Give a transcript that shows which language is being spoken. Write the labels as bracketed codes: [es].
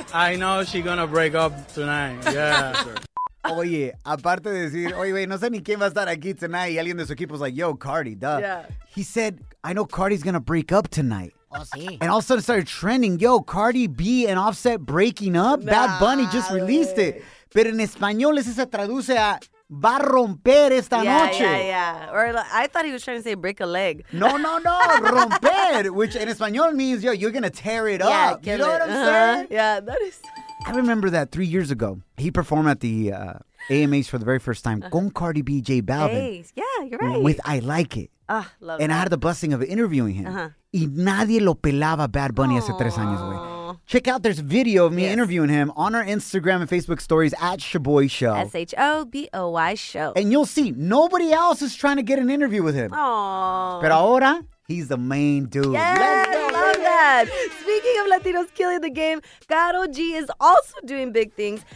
[en] I know she's going to break up tonight. Yeah, sure. [es] Oye, aparte de decir, oye, güey, no sé ni quién va a estar aquí tonight. Y alguien de su equipo es like, yo, Cardi, duh. [en] Yeah. He said, I know Cardi's going to break up tonight. [es] Oh, sí. [en] And all of a sudden started trending. Yo, Cardi B and Offset breaking up? Nah, Bad Bunny just released it. [es] Pero en español ese se traduce a, va a romper esta noche. [en] Yeah, yeah. Or like, I thought he was trying to say break a leg. No. Romper, which in español means, yo, you're going to tear it up. You know what I'm saying? Yeah, that is... I remember that 3 years ago, he performed at the AMAs for the very first time. [es] Con Cardi B, J Balvin. [en] Yeah, you're right. With I Like It. Ah, love and that. I had the blessing of interviewing him. Uh-huh. [es] Y nadie lo pelaba Bad Bunny hace tres años, güey. [en] Check out, there's video of me interviewing him on our Instagram and Facebook stories at Sha'Boy Show. Sha'Boy Show. And you'll see, nobody else is trying to get an interview with him. Aww. [es] Pero ahora... [en] He's the main dude. Yes, I love that. Speaking of Latinos killing the game, Karol G is also doing big things.